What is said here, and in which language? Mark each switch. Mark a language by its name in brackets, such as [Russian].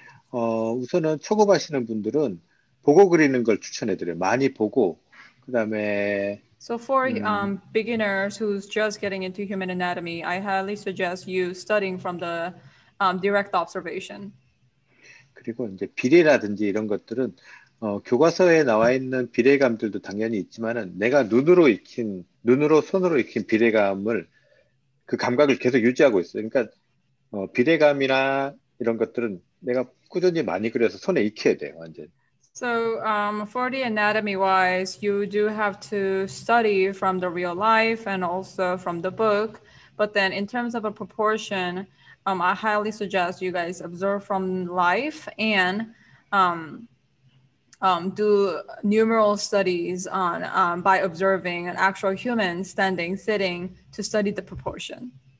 [Korean] 우선은 초급 하시는 분들은 보고 그리는 걸 추천해 드려요. 많이 보고 그다음에 [English] So for beginners who's just getting into human anatomy, I highly suggest you studying from the direct observation. [Korean] 그리고 이제 비례라든지 이런 것들은 교과서에 나와 있는 비례감들도 당연히 있지만은 내가 눈으로 익힌 눈으로 손으로 익힌 비례감을 그 감각을 계속 유지하고 있어요. 그러니까 비례감이나 이런 것들은 내가 꾸준히 많이 그려서 손에 익혀야 돼요, 완전. [English] So for the anatomy wise, you do have to study from the real life and also from the book. But then in terms of a proportion, I highly suggest you guys observe from life and do numeral studies on by observing an actual human standing, sitting to study the proportion.